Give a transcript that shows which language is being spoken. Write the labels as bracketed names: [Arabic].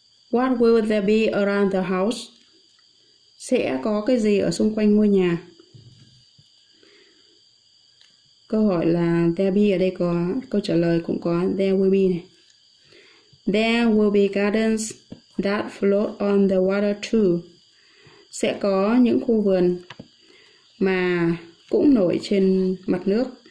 [English] What will there be around the house? [Vietnamese] Sẽ có cái gì ở xung quanh ngôi nhà? Câu hỏi là there be, ở đây có câu trả lời cũng có there will be này. [English] There will be gardens that float on the water too. [Vietnamese] Sẽ có những khu vườn mà cũng nổi trên mặt nước.